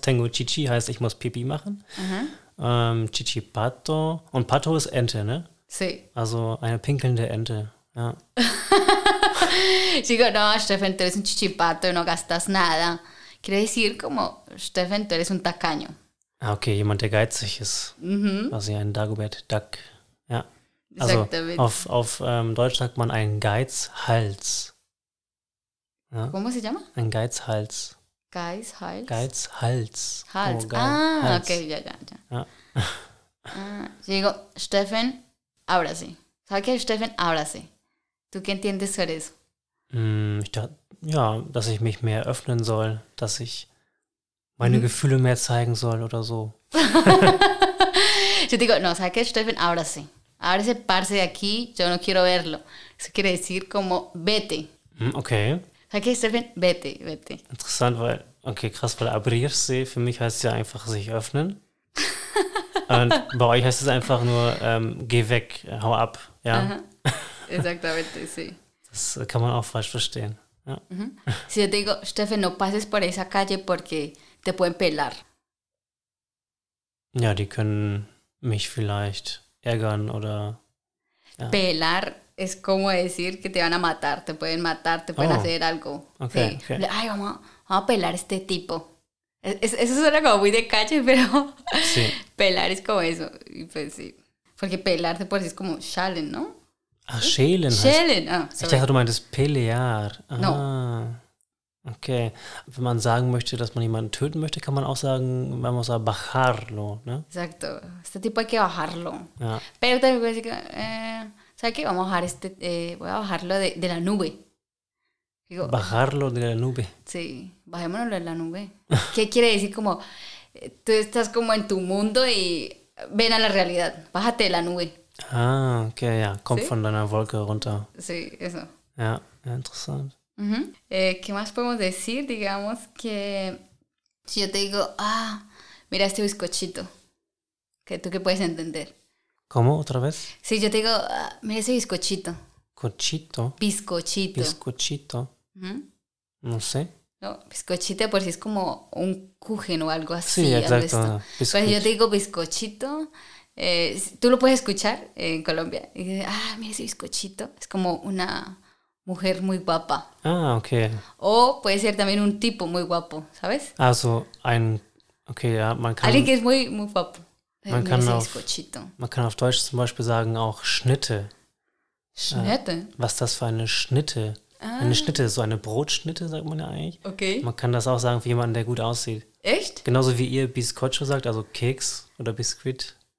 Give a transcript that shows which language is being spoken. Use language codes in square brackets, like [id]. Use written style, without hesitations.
[es] Tengo chichi [de] heißt, ich muss pipi machen. Uh-huh. Chichipato. Und pato ist Ente, ne? [es] Sí. [de] Also eine pinkelnde Ente, ja. [es] Digo, no, Stefan, tú eres un chichipato, no gastas nada. Quiere decir como, Stefan, tú eres un tacaño. [de] Ah, okay, jemand, der geizig ist. Mhm. Also ein Dagobert Duck. Ja, also auf Deutsch sagt man einen Geizhals. [es] Ja? ¿Cómo se llama? [de] Ein Geizhals. Geizhals? Geizhals. Hals. Oh, Hals. Okay, ja. [es] Digo, Stefan, ahora sí. [de] Sag ich, Stefan, [es] ahora sí. ¿Tú qué entiendes por eso? [de] Ich dachte, ja, dass ich mich mehr öffnen soll, dass ich meine Gefühle mehr zeigen soll oder so. [es] Yo digo, no, ¿sabes qué, Stefan? Ahora sí. Ahora se parse de aquí, yo no quiero verlo. Eso quiere decir como, vete. Okay. ¿Sabes qué, Stefan? Vete. [de] Interessant, weil, okay, krass, weil abrirse für mich heißt ja einfach sich öffnen. Und bei euch heißt es einfach nur, geh weg, hau ab, ja. [es] Uh-huh. Exactamente, sí. [de] Das kann man auch falsch verstehen. Ja. [es] Si yo te digo, Stefan, no pases por esa calle porque te pueden pelar. [de] Ja, die können mich vielleicht ärgern oder... Ja. [es] Pelar es como decir que te van a matar, te pueden matar, te pueden hacer algo. Okay, sí. Okay. Ay, vamos a pelar a este tipo. Eso suena como muy de calle, pero sí. Pelar es como eso. Y pues sí. Porque pelar de por sí es como schälen, ¿no? [de] Ah, schälen. Schälen, ah. Ich dachte, du meintest pelear. Ah. No. Okay. Wenn man sagen möchte, dass man jemanden töten möchte, kann man auch sagen, man muss sagen, bajarlo, ne? [es] Exacto. Este tipo hay que bajarlo. Ja. Pero también puede decir, ¿sabes qué? Vamos a bajar este, voy a bajarlo de la nube. Digo, bajarlo de la nube. Sí. Bajémonos de la nube. ¿Qué quiere decir? Como, tú estás como en tu mundo y ven a la realidad. Bájate de la nube. [de] Ah, okay, ja. Kommt sí? Von deiner Wolke runter. [es] Sí, eso. [de] Ja, ja, interessant. [es] Uh-huh. ¿Qué más podemos decir? Digamos que si yo te digo, ah, mira este bizcochito, que tú qué puedes entender. ¿Cómo? ¿Otra vez? Sí, yo te digo, ah, mira este bizcochito. ¿Cochito? Bizcochito. ¿Bizcochito? Uh-huh. No sé. No, bizcochito por si es como un kuchen o algo así. Sí, exacto. Pues yo te digo bizcochito, tú lo puedes escuchar en Colombia. Y dices, ah, mira ese bizcochito. Es como una... mujer muy guapa. Ah, okay. O puede ser también un tipo muy guapo, ¿sabes? [de] Also ein, okay, ja, man kann... [es] Alguien que es muy, muy guapo. [de] Man kann, auf Deutsch zum Beispiel sagen auch Schnitte. Schnitte? Was das für eine Schnitte? Ah. Eine Schnitte, so eine Brotschnitte, sagt man ja eigentlich. Okay. Man kann das auch sagen für jemanden, der gut aussieht. Echt? Genauso wie ihr Biscocho sagt, also Keks oder Biscuit.